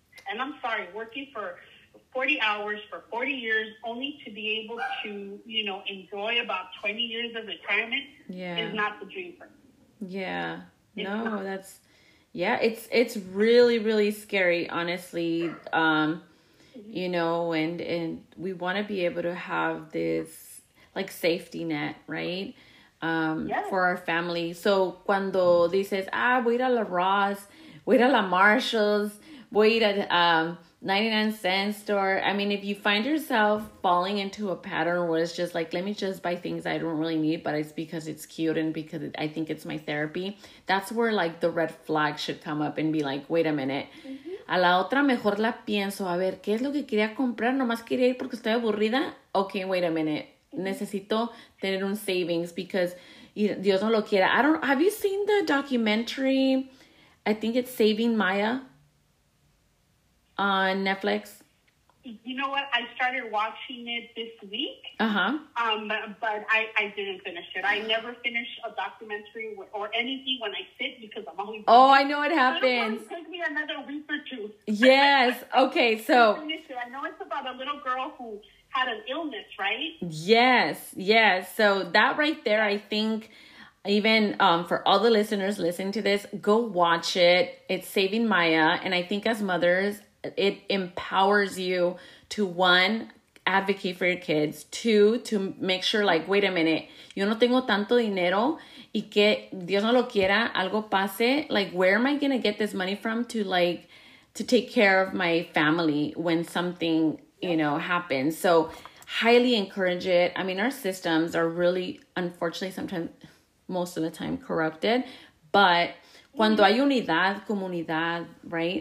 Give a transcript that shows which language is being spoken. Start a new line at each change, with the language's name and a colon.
English: And I'm sorry, working for 40 hours for 40 years only to be able to, you know, enjoy about 20 years of retirement is not the dream for me. Yeah. No, that's, yeah, it's really, really scary, honestly. You know, and we want to be able to have this, like, safety net, right? For our family.
Spanish: So, cuando dices, ah, voy a ir a La Ross, voy a ir a La Marshalls, voy a ir a 99 Cent Store.
English: I mean, if you find yourself falling into a pattern where it's just like, let me just buy things I don't really need, but it's because it's cute and because I think it's my therapy. That's where, like, the red flag should come up and be like, wait a minute. Mm-hmm.
Spanish: A la otra mejor la pienso, a ver, ¿qué es lo que quería comprar? Nomás quería ir porque estoy aburrida.
English: Okay, wait a minute.
Spanish: Necesito tener un savings
English: because
Spanish: Dios no lo quiera.
English: I don't, have you seen the documentary? I think it's Saving Maya on Netflix. You know what? I started watching it this week. Uh-huh. But I didn't finish it. I never finish a documentary or anything when I sit because I'm always... Oh, I know what happens. It takes me another week or two. Yes. Okay, so... I know it's about a little girl who had an illness, right? Yes, yes. So that right there, I think... Even for all the listeners listening to this, go watch it. It's Saving Maya. And I think as mothers, it empowers you to, one, advocate for your kids. Two, to make sure, like, wait a minute.
Spanish: Yo no tengo tanto dinero y que Dios no lo quiera, algo pase.
English: Like, where am I going to get this money from to, like, to take care of my family when something, you know, happens? So, highly encourage it. I mean, our systems are really, unfortunately, sometimes... most of the time corrupted, but
Spanish: cuando hay unidad, comunidad,
English: right?